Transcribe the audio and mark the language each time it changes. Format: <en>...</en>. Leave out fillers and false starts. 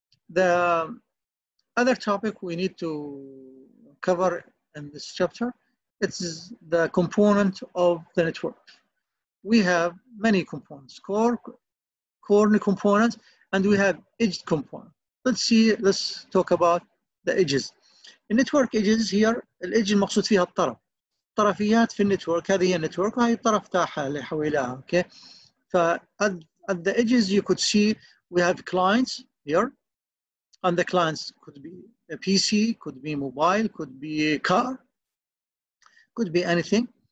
<en>The other topic we need to cover in this chapter, it's the component of the network. We have many components, core components, and we have edge components. Let's talk about the edges.</en> <ar>Network edges here, الإج المقصود فيها الطرف.</ar> <en>طرفيات في النتورك، هذه هي النتورك وهي الطرف تاعها اللي حويلها، اوكي؟ فـ at the edges you could see we have clients here, and the clients could be a PC, could be mobile, could be a car, could be anything.</en>